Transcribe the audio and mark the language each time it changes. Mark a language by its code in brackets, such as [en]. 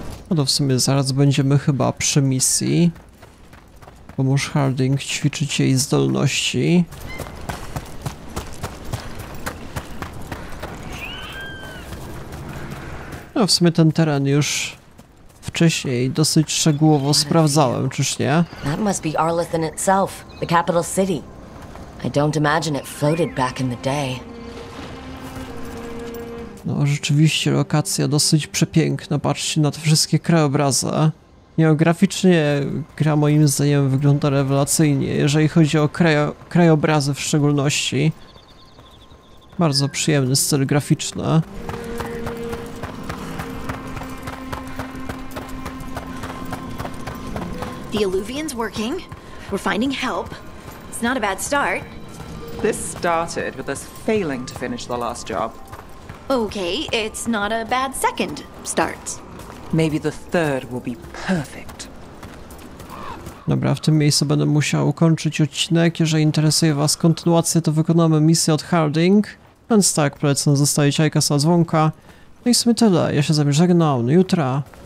[pl] No to w sumie zaraz będziemy chyba przy misji. Pomóż Harding ćwiczyć jej zdolności. No w sumie ten teren już wcześniej dosyć szczegółowo sprawdzałem, czyż nie? [en] That must be Arlathan itself, the capital city. I don't imagine it floated back in the day. [pl] No, rzeczywiście lokacja dosyć przepiękna, patrzcie na te wszystkie krajobrazy. Geograficznie gra moim zdaniem wygląda rewelacyjnie, jeżeli chodzi o krajobrazy w szczególności. Bardzo przyjemny styl graficzny. [en] The Illuvians working. We're finding help. It's not a bad start. This started with us failing to finish the last job. Okay, it's not a bad second start. Maybe the third will be perfect. [pl] Dobra, w tym miejscu będę musiał ukończyć odcinek. Jeżeli interesuje was kontynuację, to wykonamy misję od Harding. Więc tak, polecam zostawić lajka za dzwonka. No i w sumie tyle. Ja się z wami żegnam. Do jutra.